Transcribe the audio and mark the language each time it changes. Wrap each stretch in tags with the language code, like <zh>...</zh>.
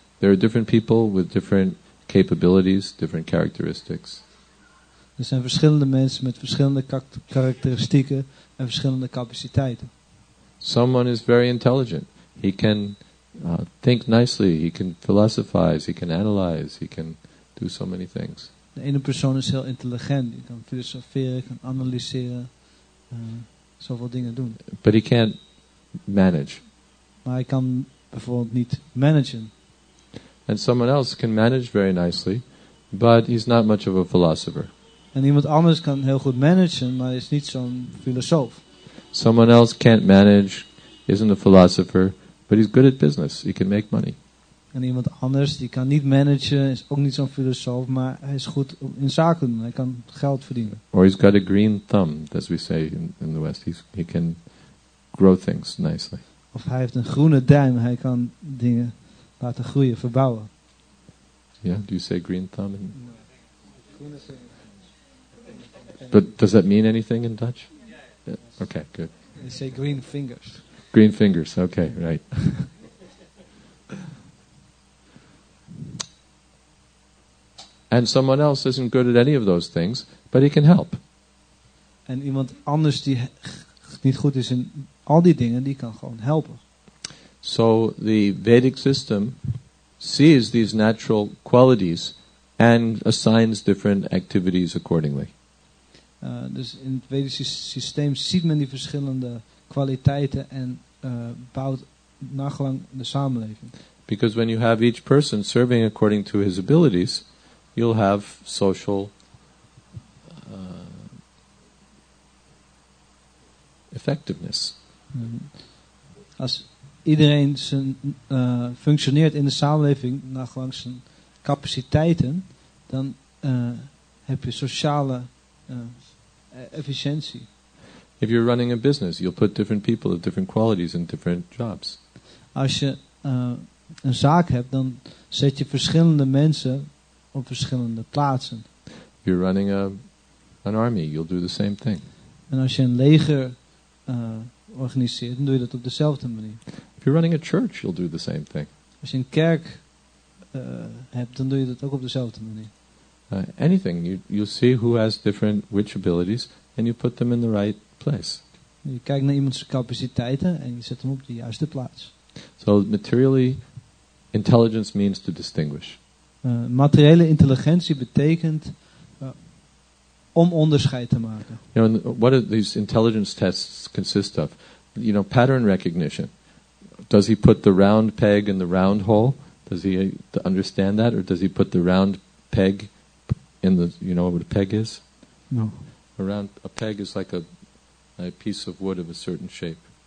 <en>There are different people with different capabilities, different characteristics.</en> <nl>Er zijn verschillende mensen met verschillende karakteristieken en verschillende capaciteiten.</nl> <en>Someone is very intelligent. He can think nicely, he can philosophize, he can analyze, he can do so many things.</en> <nl>De ene persoon is heel intelligent. Hij kan filosoferen, kan analyseren, zoveel dingen doen.</nl> <en>But he can't manage.</en> <nl>Maar hij kan bijvoorbeeld niet managen.</nl> <en>And someone else can manage very nicely, But he's not much of a philosopher.</en> <nl>En iemand anders kan heel goed managen, maar is niet zo'n filosoof.</nl> <en>Someone else can't manage, isn't a philosopher, but he's good at business. He can make money.</en> <nl>En iemand anders die kan niet managen, is ook niet zo'n filosoof, maar hij is goed in zaken doen. Hij kan geld verdienen.</nl> <en>Or he's got a green thumb, as we say in the West. He can grow things nicely.</en> <nl>Of hij heeft een groene duim. Hij kan dingen laten groeien, verbouwen.</nl> <en>Yeah, do you say green thumb? In but does that mean anything in Dutch? Yeah. Okay, good. They say green fingers. Green fingers, okay, right. And someone else isn't good at any of those things, but he can help.</en> <nl>En iemand anders die niet goed is in al die dingen, die kan gewoon helpen.</nl> <en>So the Vedic system sees these natural qualities and assigns different activities accordingly.</en> <nl>Dus in het Vedische systeem ziet men die verschillende kwaliteiten en bouwt nagelang de samenleving.</nl> <en>Because when you have each person serving according to his abilities, you'll have social effectiveness. Mm-hmm.</en> <nl>Als iedereen zijn, functioneert in de samenleving nagelang zijn capaciteiten, dan heb je sociale efficiëntie.</nl> <en>If you're running a business, you'll put different people of different qualities in different jobs.</en> <nl>Als je een zaak hebt, dan zet je verschillende mensen op verschillende plaatsen.</nl> <en>If you're running an army, you'll do the same thing.</en> <nl>En als je een leger organiseert, dan doe je dat op dezelfde manier.</nl> <en>If you're running a church, you'll do the same thing.</en> <nl>Als je een kerk hebt, dan doe je dat ook op dezelfde manier.</nl> <en>Anything. You see who has different which abilities and you put them in the right place.</en> <nl>Je kijkt naar iemands capaciteiten en je zet hem op de juiste plaats.</nl> <en>So materially, intelligence means to distinguish.</en> <nl>Materiële intelligentie betekent om onderscheid te maken.</nl> <en>You know, what do these intelligence tests consist of? You know, pattern recognition. Does he put the round peg in the round hole? Does he understand that? Or does he put the round peg in the, you know what a peg is? No. A peg is like a piece of wood of a certain shape.</en>